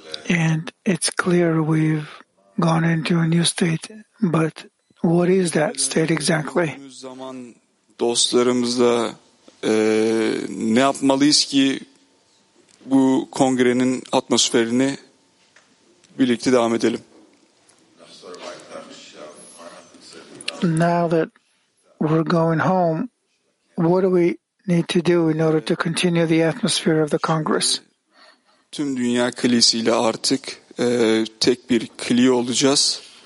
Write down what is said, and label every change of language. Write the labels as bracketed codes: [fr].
[en] And it's clear we've gone into a new state, but what is that state exactly? [tr] Zaman dostlarımızla ne yapmalıyız ki bu kongrenin atmosferini birlikte devam edelim? [en] Now that we're going home, what do we need to do in order to continue the atmosphere of the Congress? [tr] Tüm dünya kilisiyle artık tek bir kli olacağız.